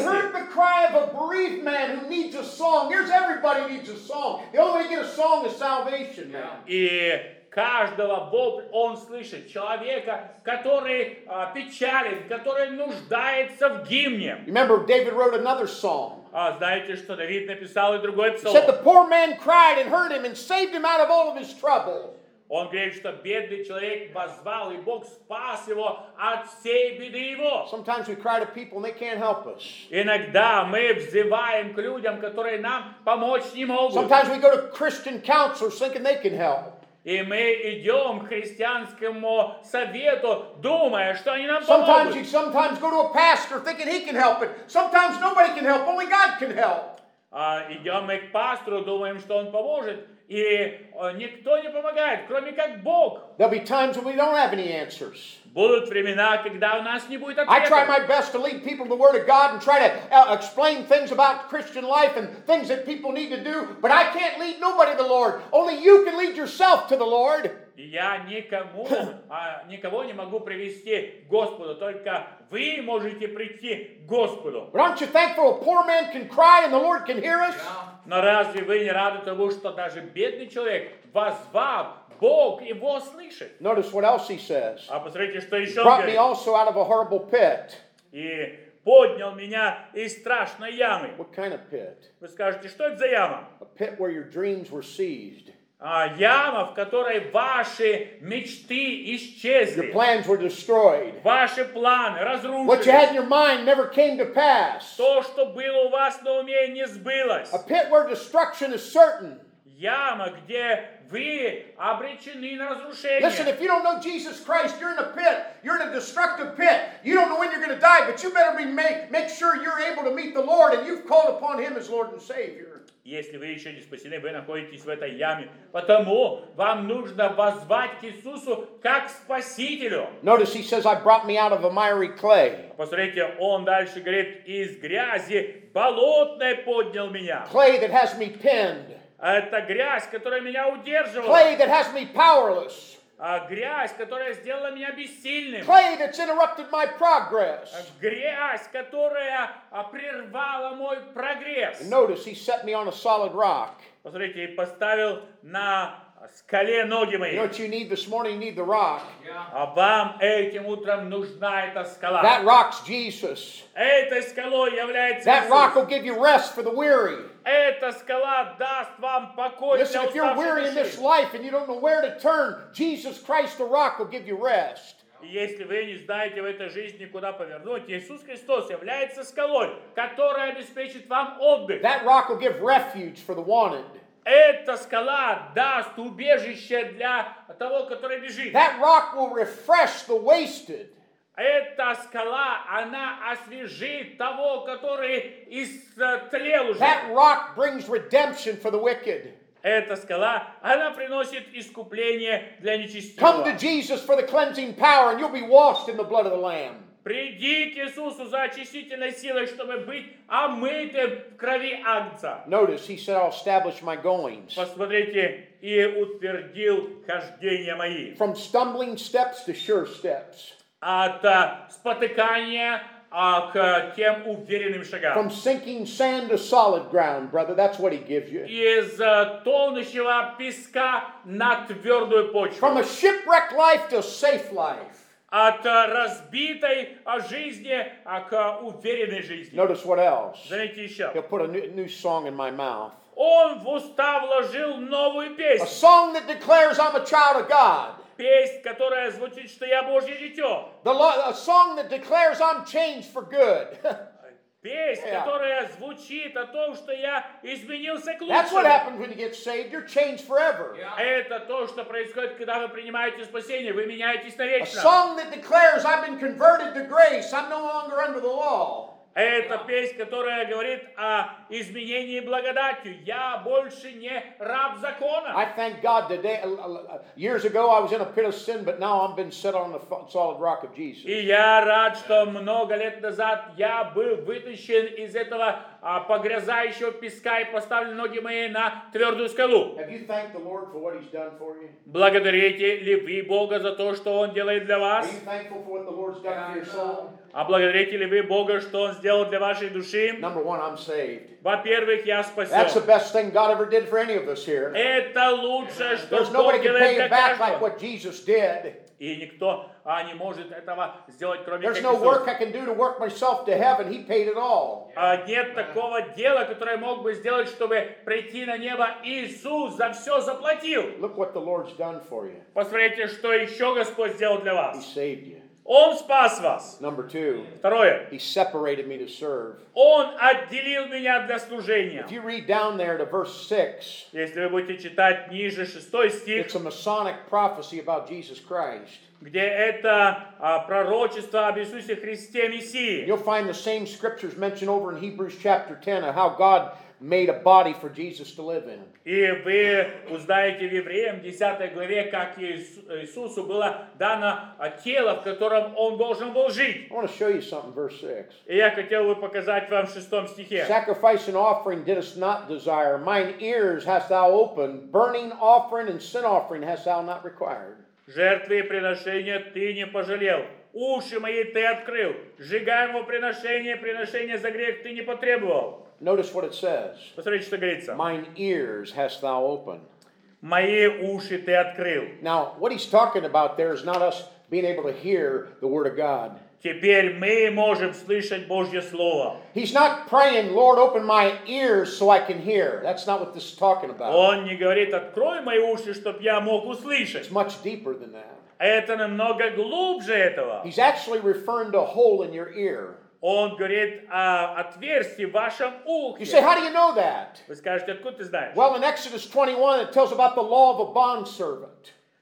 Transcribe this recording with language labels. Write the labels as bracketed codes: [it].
[en] He heard the cry of a bereaved man who needs a song. Here's everybody needs a song. The only way you get a song is salvation, man. [ru] И каждого вопль он слышит. Человека, который печален, который нуждается в гимне. [en] Remember, David wrote another song. [ru] Знаете, что Давид написал и другой псалом. [en] He said, the poor man cried and heard him and saved him out of all of his trouble. [ru] Он говорит, что бедный человек воззвал, и Бог спас его от всей беды его. [en] Sometimes we cry to people and they can't help us. [ru] Иногда мы взываем к людям, которые нам помочь не могут. [en] Sometimes we go to Christian counselors thinking they can help. [ru] И мы идем к христианскому совету, думая, что они нам [en] sometimes [ru] помогут. [en] You sometimes go to a pastor thinking he can help, but sometimes nobody can help, only God can help. [ru] Идем мы к пастору, думаем, что он поможет. И никто не помогает, кроме как Бог. [en] There'll be times when we don't have any answers. [ru] Будут времена, когда у нас не будет ответа. [en] I try my best to lead people to the Word of God and try to explain things about Christian life and things that people need to do, but I can't lead nobody to the Lord. Only you can lead yourself to the Lord. [ru] Я никому, никого не могу привести к Господу. Только вы можете прийти к Господу. [en] But aren't you thankful a poor man can cry and the Lord can hear us? [ru] Но разве вы не рады тому, что даже бедный человек воззвал, Бог его слышит? [en] Notice what else he says. [ru] А посмотрите, что еще он говорит. [en] Brought me also out of a horrible pit. [ru] И поднял меня из страшной ямы. [en] What kind of pit? [ru] Вы скажете, что это за яма? [en] A pit where your dreams were seized. [ru] Яма, в которой ваши мечты исчезли. [en] Your plans were destroyed. [ru] Ваши планы разрушились. [en] What you had in your mind never came to pass. [ru] То, что было у вас на уме, не сбылось. [en] A pit where destruction is certain. [ru] Яма, где вы обречены на разрушение. [en] Listen, if you don't know Jesus Christ, you're in a pit. You're in a destructive pit. You don't know when you're going to die, but you better be make sure you're able to meet the Lord and you've called upon Him as Lord and Savior. [ru] Если вы еще не спасены, вы находитесь в этой яме. Потому вам нужно воззвать к Иисусу как к Спасителю. [en] Notice he says, I brought me out of a miry clay. [ru] Посмотрите, он дальше говорит, из грязи болотной поднял меня. [en] Clay that has me pinned. [ru] Это грязь, которая меня удерживала. [en] Clay that has me powerless. [ru] А грязь, которая сделала меня бессильным. [en] Clay that's interrupted my progress. [ru] Грязь, которая прервала мой прогресс. [en] And notice he set me on a solid rock. [ru] Посмотрите, и поставил на скале ноги мои. [en] You know what you need this morning? You need the rock. [ru] Yeah. А вам этим утром нужна эта скала. [en] That rock's Jesus. [ru] Этой скалой является [en] that [ru] Иисус. [en] That rock will give you rest for the weary. [ru] Эта скала даст вам покой. [en] Listen, if you're weary in this life and you don't know where to turn, Jesus Christ, the rock, will give you rest. [ru] Если вы не знаете в этой жизни, куда повернуть, Иисус Христос является скалой, которая обеспечит вам отдых. [en] That rock will give refuge for the wanted. [ru] Эта скала даст убежище для того, который бежит. [en] That rock will refresh the wasted. [ru] Эта скала, она освежит того, который истлел уже. [en] That rock brings redemption for the wicked. [ru] Эта скала, она приносит искупление для нечестивого. [en] Come to Jesus for the cleansing power and you'll be washed in the blood of the Lamb. [ru] Приди к Иисусу за очистительной силой, чтобы быть омытым в крови Агнца. [en] Notice, he said, I'll establish my goings. [ru] Посмотрите, и утвердил хождения мои. [en] From stumbling steps to sure steps. [ru] От спотыкания к тем уверенным шагам. [en] From sinking sand to solid ground, brother, that's what he gives you. [ru] Из тонущего песка на твердую почву. [en] From a shipwrecked life to safe life. [ru] От разбитой жизни к уверенной жизни. [en] Notice what else. [ru] Заметьте еще. [en] He'll put a new song in my mouth. [ru] Он в уста вложил новую песнь. [en] A song that declares I'm a child of God. [ru] Песнь, которая звучит, что я Божье дитё. [en] A song that declares I'm changed for good. [ru] Песнь, yeah. Которая звучит о том, что я изменился к лучшему. [en] That's what happens when you get saved. You're changed forever. Yeah. [ru] Это то, что происходит, когда вы принимаете спасение. Вы меняетесь навечно. [en] A song that declares I've been converted to grace. I'm no longer under the law. [ru] Это песня, которая говорит о изменении благодатью. Я больше не раб закона. [en] I thank God today. Years ago I was in a pit of sin, but now I've been set on the solid rock of Jesus. [ru] И я рад, что много лет назад я был вытащен из этого погрязающего песка и поставлен ноги мои на твердую скалу. [en] Have you thanked the Lord for what He's done for you? [ru] Благодарите ли вы Бога за то, что Он делает для вас? [en] Are you thankful for what the Lord's done for your soul? [ru] А благодарите ли вы Бога, что Он сделал для вашей души? [en] Number one, I'm saved. [ru] Во-первых, я спасен. [en] That's the best thing God ever did for any of us here. [ru] Это лучшее, что [en] There's [ru] Бог [en] nobody [ru] делает [en] can pay [ru] для [en] it back like what Jesus did. [ru] И никто не может этого сделать, кроме [en] There's no [ru] Иисус. [en] Work I can do to work myself to heaven. He paid it all. [ru] Нет такого дела, которое мог бы сделать, чтобы прийти на небо. Иисус за все заплатил. [en] Look what the Lord's done for you. [ru] Посмотрите, что еще Господь сделал для вас. [en] He saved you. [ru] Он спас вас. [en] Number two. [ru] Второе. [en] He separated me to serve. [ru] Он отделил меня для служения. [en] If you read down there to verse 6, [ru] если вы будете читать ниже шестой стих, [en] it's a Masonic prophecy about Jesus Christ. [ru] Где это пророчество об Иисусе Христе Мессии. [en] You'll find the same scriptures mentioned over in Hebrews chapter 10 of how God made a body for Jesus to live in. [ru] И вы узнаете в Евреям 10 главе, как Иисусу было дано тело, в котором он должен был жить. [en] I want to show you something, verse 6. [ru] И я хотел бы показать вам в 6 стихе. [en] Sacrifice and offering didst not desire. Mine ears hast thou opened. Burning offering and sin offering hast thou not required. [ru] Жертвы и приношения ты не пожалел. Уши мои ты открыл. Сжигаемого приношения, приношения за грех ты не потребовал. [en] Notice what it says. [ru] Посмотрите, что говорится. [en] Mine ears hast thou opened. [ru] Мои уши ты открыл. [en] Now, what he's talking about there is not us being able to hear the word of God. [ru] Теперь мы можем слышать Божье слово. [en] He's not praying, Lord, open my ears so I can hear. That's not what this is talking about. [ru] Он не говорит, открой мои уши, чтоб я мог услышать. [en] It's much deeper than that. [ru] Это намного глубже этого. [en] He's actually referring to a hole in your ear. [ru] Он говорит о отверстии в вашем ухе. [en] You say, how do you know that? [ru] Вы скажете, откуда ты знаешь? [en] Well, in Exodus 21, it tells about the law of a bondservant.